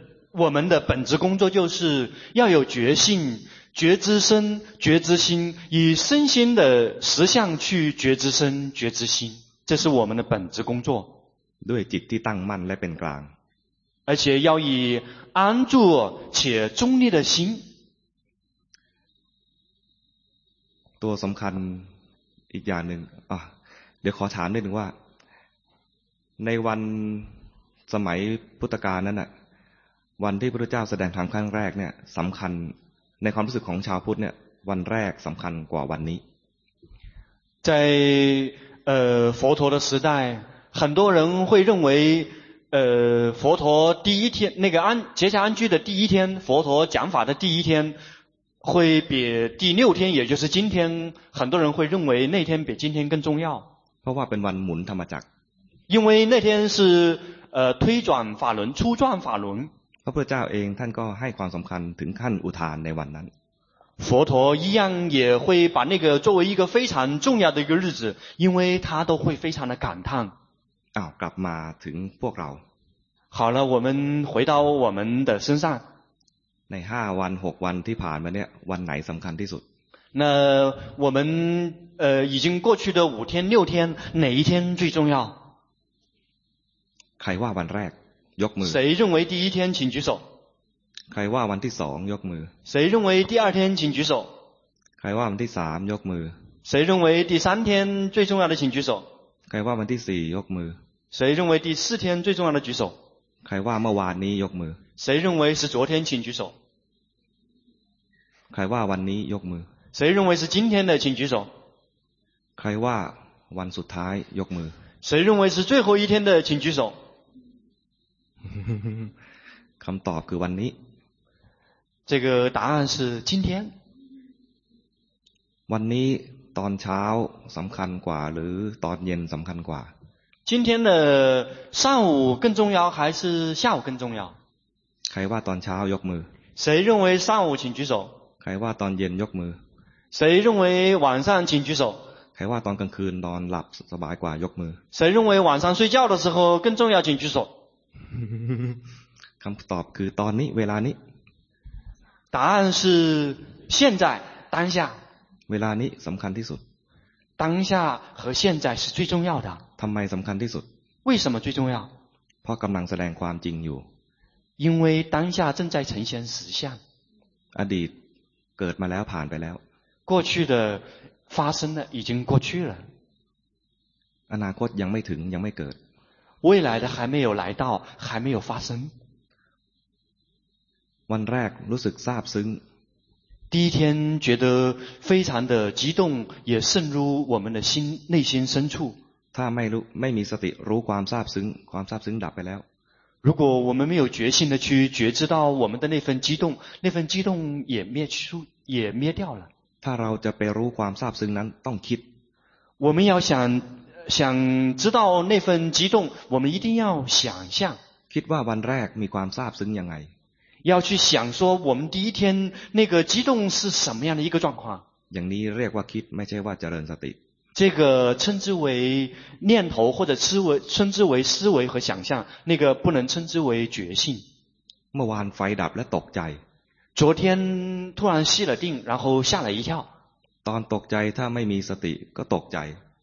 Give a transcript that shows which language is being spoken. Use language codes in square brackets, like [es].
[zh] 我们的本职工作就是要有觉性觉知身觉知心以身心的实相去觉知身觉知心这是我们的本职工作 [th] ด้วยจิตที่ตั้งมั่นและเป็นกลาง [zh] 而且要以安住且中立的心 [th] ตัวสำคัญอีกอย่างหนึ่งเดี๋ยวขอถามนิดหนึ่งว่าในวันสมัยพุทธกาลนั้นน่ะวันที่พระพุทธเจ้าแสดงธรรมครั้งแรกเนี่ยสำคัญในความรู้สึกของชาวพุทธเนี่ยวันแรกสำคัญกว่าวันนี้ [zh] ใน佛陀的时代很多人会认为佛陀第一天那个安结下安居的第一天佛陀讲法的第一天会比第六天也就是今天很多人会认为那天比今天更重要 [th] เพราะว่าเป็นวันหมุนธรรมจักร [zh] 因为那天是推转法轮初转法轮 [th] พระพุทธเจ้าเองท่านก็ให้ความสำคัญถึงขั้นอุทานในวันนั้น [zh] 佛陀一样也会把那个作为一个非常重要的一个日子因为他都会非常的感叹 [th] อ้าวกลับมาถึงพวกเรา [zh] 好了我们回到我们的身上 [th] ใน5วัน6วันที่ผ่านมาเนี่ยวันไหนสำคัญที่สุด [zh] 那我们已经过去的五天六天哪一天最重要 [th] ใครว่าวันแรกยกมือ [zh] 谁认为第一天请举手 [th] ใครว่าวันที่2ยกมือ [zh] 谁认为第二天请举手 [th] ใครว่าวันที่3ยกมือ [zh] 谁认为第三天最重要的请举手 [th] ใครว่าวันที่4ยกมือ [zh] 谁认为第四天最重要的举手 [th] ใครว่าเมื่อวานนี้ยกมือ [zh] 谁认为是昨天请举手 [th] ใครว่าวันนี้ยกมือ [zh] 谁认为是今天的请举手 [th] ใครว่าวันสุดท้ายยกมือ [zh] 谁认为是最后一天的请举手 [th] คำตอบคือวันนี้ [zh] 这个答案是今天 [th] วันนี้ตอนเช้าสำคัญกว่าหรือตอนเย็นสำคัญกว่า [zh] 今天的上午更重要还是下午更重要 [th] ใครว่าตอนเช้ายกมือ [zh] 谁认为上午请举手 [th] ใครว่าตอนเย็นยกมือ [zh] 谁认为晚上请举手 [th] ใครว่าตอนกลางคืนนอนหลับสบายกว่ายกมือ [zh] 谁认为晚上睡觉的时候更重要请举手 [th] คำตอบคือตอนนี้เวลานี้ [zh] 答案是现在当下 [th] เวลานี้สำคัญที่สุด [zh] 当下和现在是最重要的 [th] ทำไมสำคัญที่สุด [zh] 为什么最重要 [th] เพราะกำลังแสดงความจริงอยู่ [zh] 因为当下正在呈现实相 [th] อดีตเกิดมาแล้วผ่านไปแล้ว [zh] 过去的发生了已经过去了 [th] อนาคตยังไม่ถึงยังไม่เกิด [zh] 未来的还没有来到还没有发生 [th] วันแรกรู้สึกซาบซึ้ง [zh] 第一天觉得非常的激动，也渗入我们的心内心深处。 [th] ถ้าไม่มีสติรู้ความซาบซึ้งความซาบซึ้งดับไปแล้ว。 [zh] 如果我们没有决心的去觉知到我们的那份激动，那份激动也灭去，也灭掉了。 [th] ถ้าเราจะไปรู้ความซาบซึ้งนั้นต้องคิด。 [zh] 我们要想知道那份激动，我们一定要想象。 [th] คิดว่าวันแรกมีความซาบซึ้งยังไง？ [zh] 要去想说我们第一天那个激动是什么样的一个状况。 [th] อย่างนี้เรียกว่าคิดไม่ใช่ว่าเจริญสติ。 [zh] 这个称之为念头或者称之为思维和想象，那个不能称之为觉性。 [th] เมื่อวานไฟดับและตกใจ。 [zh] 昨天突然熄了定，然后吓了一跳。 [th] ตอนตกใจถ้าไม่มีสติก็ตกใจ。